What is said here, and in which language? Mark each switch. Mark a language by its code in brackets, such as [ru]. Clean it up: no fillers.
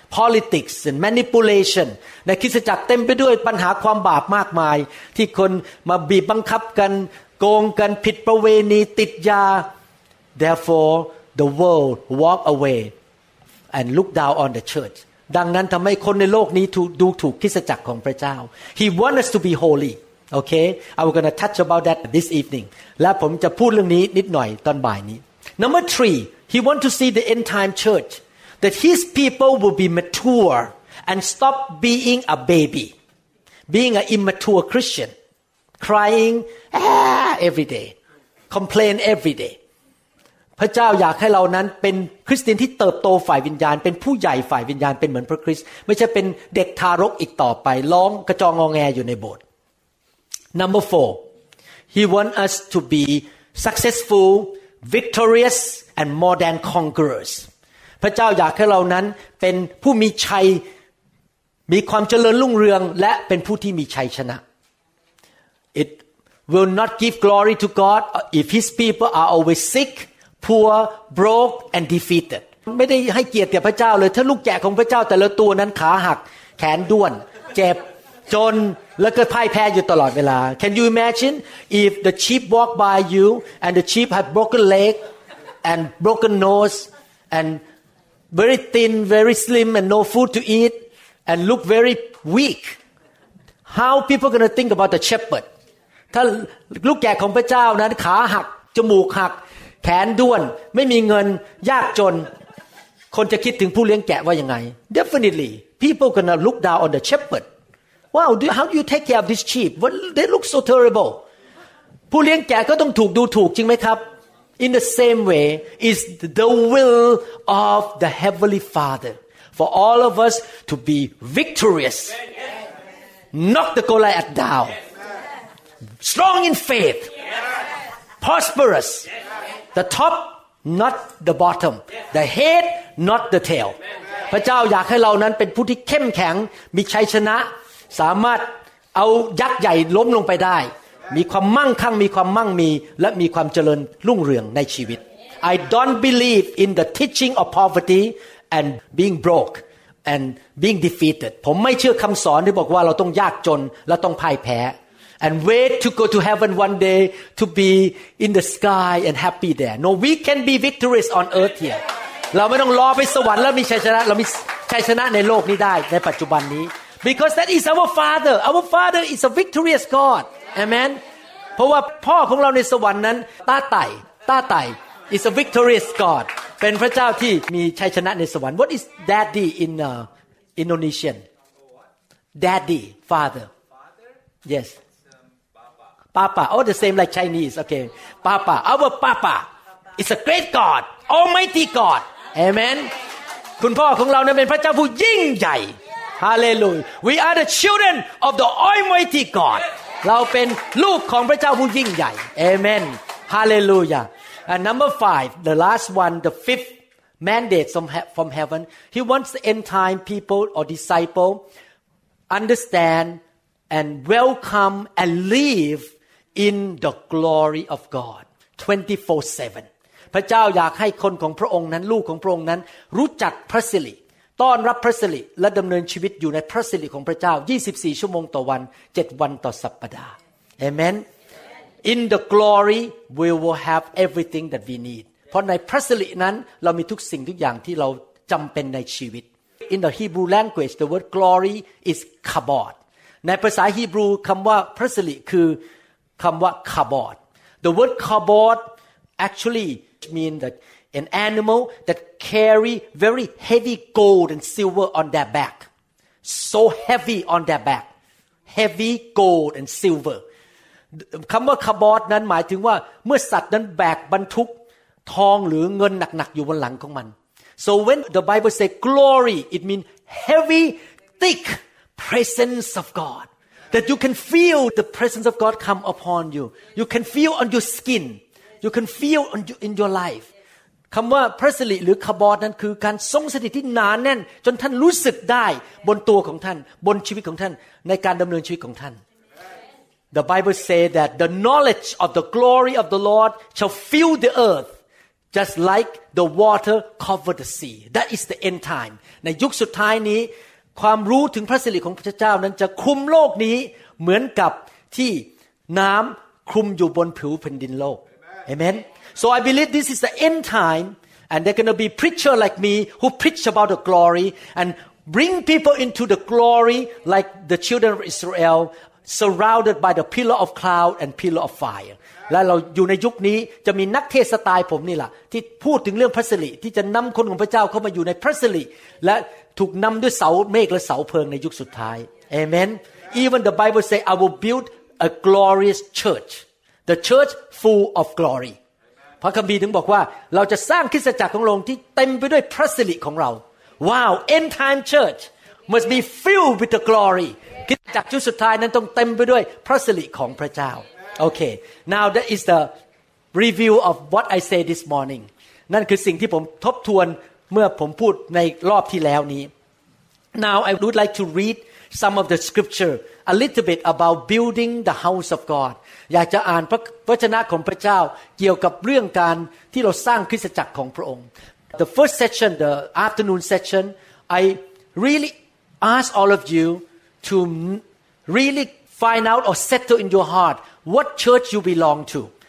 [en] Politics and manipulation [th] ในคริสตจักรเต็มไปด้วยปัญหาความบาปมากมายที่คนมาบีบบังคับกันโกงกันผิดประเวณีติดยา [en] therefore the world walk away and look down on the church [th] ดังนั้นทำให้คนในโลกนี้ดูถูกคริสตจักรของพระเจ้า [en] he wants us to be holy okay I'm going to touch about that this evening [th] และผมจะพูดเรื่องนี้นิดหน่อยตอนบ่ายนี้ [en] number 3 he wants to see the end time churchThat his people will be mature and stop being a baby, being an immature Christian, crying every day, complain every day. [th] พระเจ้าอยากให้เรานั้นเป็นคริสเตียนที่เติบโตฝ่ายวิญญาณเป็นผู้ใหญ่ฝ่ายวิญญาณเป็นเหมือนพระคริสต์ไม่ใช่เป็นเด็กทารกอีกต่อไปร้องกระจองงอแงอยู่ในโบสถ์ [en] Number 4. He wants us to be successful, victorious, and more than conquerors. [th] พระเจ้าอยากให้เรานั้นเป็นผู้มีชัยมีความเจริญรุ่งเรืองและเป็นผู้ที่มีชัยชนะ [en] It will not give glory to God if his people are always sick, poor, broke and defeated [th] ไม่ได้ให้เกียรติแก่พระเจ้าเลยถ้าลูกแกะของพระเจ้าแต่ละตัวนั้นขาหักแขนด้วนเจ็บจนแล้วก็พ่ายแพ้อยู่ตลอดเวลา [en] Can you imagine if the sheep walk by you and the sheep have broken leg and broken nose andVery thin, very slim, and no food to eat, and look very weak. How people gonna think about the shepherd? [th] ถ้าลูกแกะของพระเจ้านั้นขาหักจมูกหักแขนด้วนไม่มีเงินยากจนคนจะคิดถึงผู้เลี้ยงแกะว่ายังไง [en] Definitely, people gonna look down on the shepherd. Wow, how do you take care of this sheep? What they look so terrible. [th] ผู้เลี้ยงแกะก็ต้องถูกดูถูกจริงไหมครับ [en] In the same way, is the will of the Heavenly Father for all of us to be victorious. Knock the Goliath down. Strong in faith. Prosperous. The top, not the bottom. The head, not the tail. [th] พระเจ้าอยากให้เรานั้นเป็นผู้ที่เข้มแข็งมีชัยชนะสามารถเอายักษ์ใหญ่ล้มลงไปได้มีความมั่งคั่งมีความมั่งมีและมีความเจริญรุ่งเรืองในชีวิต [en] I don't believe in the teaching of poverty and being broke and being defeated [th] ผมไม่เชื่อคำสอนที่บอกว่าเราต้องยากจนและต้องพ่ายแพ้ [en] and wait to go to heaven one day to be in the sky and happy there No, we can be victorious on earth here [th] เราไม่ต้องรอไปสวรรค์แล้วมีชัยชนะเรามีชัยชนะในโลกนี้ได้ในปัจจุบันนี้ [en] Because that is our father is a victorious godAmen. [th] เพราะว่าพ่อของเราในสวรรค์นั้นต้าไต่ต้าไต่ [en] is a victorious God. [th] เป็นพระเจ้าที่มีชัยชนะในสวรรค์ [en] What is daddy in Indonesian? Daddy, father. Yes. Papa. Oh, the same like Chinese. Okay. Papa. Our papa is a great God, Almighty God. Amen. [th] คุณพ่อของเราเนี่ยเป็นพระเจ้าผู้ยิ่งใหญ่ [en] Hallelujah. We are the children of the Almighty God. [th] เราเป็นลูกของพระเจ้าผู้ยิ่งใหญ่เอเมนฮาเลลูยา [en] and number 5 the last one the fifth mandate from heaven he wants the end time people or disciple understand and welcome and live in the glory of God 24/7 [th] พระเจ้าอยากให้คนของพระองค์นั้นลูกของพระองค์นั้นรู้จักพระสิริต้อนรับพระสิริและดำเนินชีวิตอยู่ในพระสิริของพระเจ้า24ชั่วโมงต่อวัน7วันต่อสัปดาห์เอเมน [en] In the glory we will have everything that we need เ [th] พราะในพระสิรินั้นเรามีทุกสิ่งทุกอย่างที่เราจำเป็นในชีวิต [en] In the Hebrew language the word glory is kabod [th] ในภาษาฮีบรูคำว่าพระสิริคือคำว่า kabod [en] The word kabod actuallymean that an animal that carry very heavy gold and silver on their back so heavy on their back heavy gold and silver [th] คำว่าคาร์บอดนั้นหมายถึงว่าเมื่อสัตว์นั้นแบกบรรทุกทองหรือเงินหนักๆอยู่บนหลังของมัน [en] so when the bible say glory it mean heavy thick presence of god that you can feel the presence of god come upon you can feel on your skinYou can feel in your life. [th] คำว่าพระสิริหรือคบอดนั้นคือการทรงสถิตที่หนาแน่นจนท่านรู้สึกได้บนตัวของท่านบนชีวิตของท่านในการดำเนินชีวิตของท่าน [en] The Bible say that the knowledge of the glory of the Lord shall fill the earth just like the water covered the sea. That is the end time. [th] ในยุคสุดท้ายนี้ความรู้ถึงพระสิริของพระเจ้านั้นจะคลุมโลกนี้เหมือนกับที่น้ำคลุมอยู่บนผิวแผ่นดินโลกAmen. [en] So I believe this is the end time, and there are going to be preacher like me who preach about the glory and bring people into the glory like the children of Israel, surrounded by the pillar of cloud and pillar of fire. [th] และเราอยู่ในยุคนี้จะมีนักเทศสไตล์ผมนี่แหละที่พูดถึงเรื่องพระสิริที่จะนำคนของพระเจ้าเข้ามาอยู่ในพระสิริและถูกนำด้วยเสาเมฆและเสาเพลิงในยุคสุดท้าย [en] Amen. Even the Bible say, I will build a glorious church. The church full of glory. [th] พระคัมภีร์ถึงบอกว่าเราจะสร้างคริสตจักรของเราที่เต็มไปด้วยพระสิริของเรา [en] Wow, end time church must be filled with the glory. [th] คริสตจักรชุดสุดท้ายนั้นต้องเต็มไปด้วยพระสิริของพระเจ้า [en] Okay, now that is the review of what I say this morning. [th] นั่นคือสิ่งที่ผมทบทวนเมื่อผมพูดในรอบที่แล้วนี้ [en] Now I would like to read some of the scripture a little bit about building the house of God. [th] อยากจะอ่านพระวจนะของพระเจ้าเกี่ยวกับเรื่องการที่เราสร้างคริสตจักรของพระองค์ [en] The first session the afternoon session I really ask all of you to really find out or settle in your heart what church you belong to